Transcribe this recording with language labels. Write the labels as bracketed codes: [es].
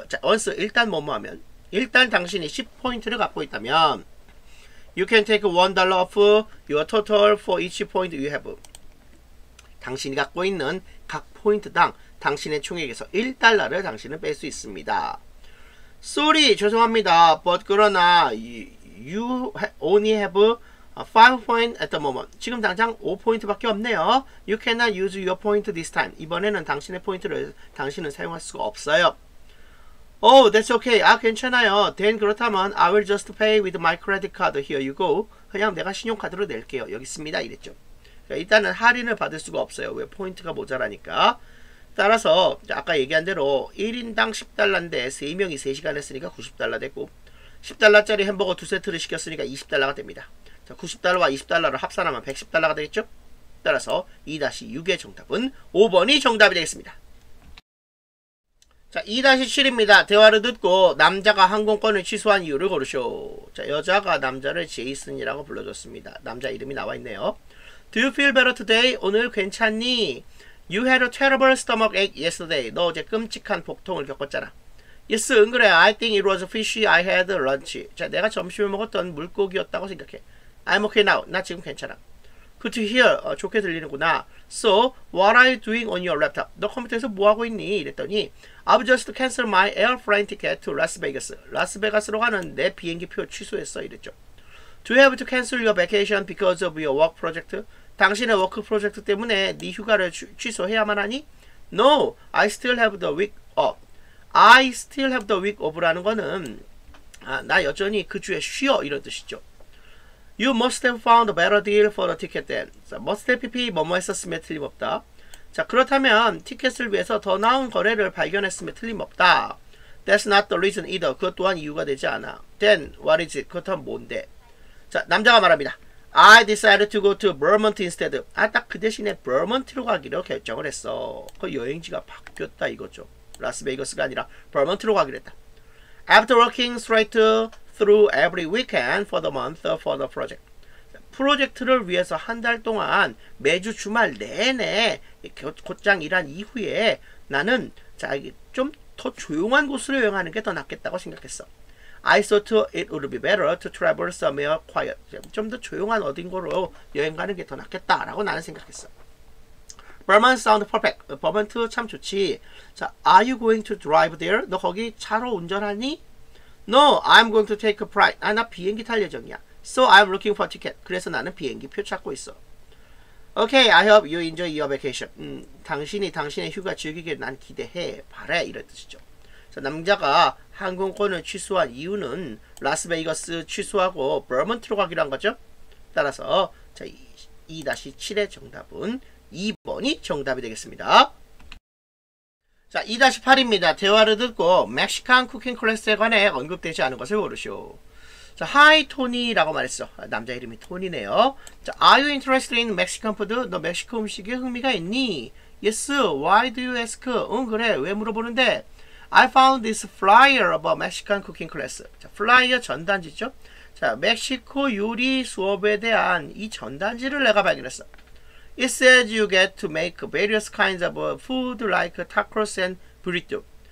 [en] 자, once [ko] 일단 뭐뭐 하면 일단 당신이 10포인트를 갖고 있다면 [en] You can take $1 off your total for each point you have. [ko] 당신이 갖고 있는 각 포인트당 당신의 총액에서 $1를 당신은 뺄 수 있습니다. [en] Sorry, [ko] 죄송합니다. [en] But [ko] 그러나 [en] you only have 5 points at the moment. [ko] 지금 당장 5포인트밖에 없네요. [en] You cannot use your point this time. [ko] 이번에는 당신의 포인트를 당신은 사용할 수가 없어요. [en] Oh, that's okay. [ko] 아, 괜찮아요. [en] Then [ko] 그렇다면 [en] I will just pay with my credit card. Here you go. [ko] 그냥 내가 신용카드로 낼게요. 여기 있습니다. 이랬죠. 그러니까 일단은 할인을 받을 수가 없어요. 왜? 포인트가 모자라니까. 따라서 아까 얘기한 대로 1인당 $10인데 3명이 3시간 했으니까 $90 되고 $10짜리 햄버거 두 세트를 시켰으니까 $20가 됩니다. 자, $90와 $20를 합산하면 $110가 되겠죠. 따라서 2-6의 정답은 5번이 정답이 되겠습니다. 자, 2-7입니다. 대화를 듣고 남자가 항공권을 취소한 이유를 고르쇼. 자, 여자가 남자를 제이슨이라고 불러줬습니다. 남자 이름이 나와 있네요. [en] Do you feel better today? [ko] 오늘 괜찮니? [en] You had a terrible stomach ache yesterday. [ko] 너 어제 끔찍한 복통을 겪었잖아. [en] Yes, [ko] 응, 그래. [en] I think it was fishy. I had lunch. [ko] 자, 내가 점심을 먹었던 물고기였다고 생각해. [en] I'm okay now. [ko] 나 지금 괜찮아. [en] Good to hear. [ko] 좋게 들리는구나. [en] So, what are you doing on your laptop? [ko] 너 컴퓨터에서 뭐하고 있니? 이랬더니 [en] I've just canceled my airplane ticket to Las Vegas. [ko] 라스베가스로 가는 내 비행기 표 취소했어. 이랬죠. [en] Do you have to cancel your vacation because of your work project? [ko] 당신의 워크 프로젝트 때문에 네 휴가를 취소해야만 하니? [en] No, I still have the week off. I still have the week off라는 거는 [ko] 나 여전히 그 주에 쉬어. 이런 뜻이죠. [en] You must have found a better deal for the ticket then. So, must have PP [ko] 뭐뭐 했었으면 틀림없다. 자, 그렇다면 티켓을 위해서 더 나은 거래를 발견했으면 틀림없다. [en] That's not the reason either. [ko] 그것 또한 이유가 되지 않아. [en] Then what is it? [ko] 그것은 뭔데? 자, 남자가 말합니다. [en] I decided to go to Vermont instead. [ko] 아, 딱 그 대신에 Vermont로 가기로 결정을 했어. 그 여행지가 바뀌었다 이거죠. 라스베이거스가 아니라 Vermont로 가기로 했다. [en] After working straight to through every weekend for the month for the project. [ko] 프로젝트를 위해서 한 달 동안 매주 주말 내내 곧장 일한 이후에 나는 자 좀 더 조용한 곳으로 여행하는 게 더 낫겠다고 생각했어. [en] I thought it would be better to travel somewhere quiet. [ko] 좀 더 조용한 어딘가로 여행 가는 게 더 낫겠다라고 나는 생각했어. [en] Vermont sound perfect. Vermont [ko] 참 좋지. [en] 자, are you going to drive there? [ko] 너 거기 차로 운전하니? [en] No, I'm going to take a flight. [ko] 아, 나 비행기 탈 예정이야. [en] So I'm looking for a ticket. [ko] 그래서 나는 비행기 표 찾고 있어. [en] Okay, I hope you enjoy your vacation. [ko] 당신이 당신의 휴가 즐기길 난 기대해. 바래. 이런 뜻이죠. 남자가 항공권을 취소한 이유는 라스베이거스 취소하고 버먼트로 가기란 거죠. 따라서 자, 2-7의 정답은 2번이 정답이 되겠습니다. 자, 2-8입니다. 대화를 듣고 멕시칸 쿠킹 클래스에 관해 언급되지 않은 것을 고르시오. 자, 하이 토니라고 말했어. 남자 이름이 토니네요. 자, [en] Are you interested in Mexican food? [ko] 너 멕시코 음식에 흥미가 있니? [en] Yes, why do you ask? [ko] 응, 그래, 왜 물어보는데? [en] I found this flyer about Mexican cooking class. [ko] 자, 플라이어 전단지죠? 자, 멕시코 요리 수업에 대한 이 전단지를 내가 발견했어. [en] It says you get to make various kinds of food like tacos and burrito.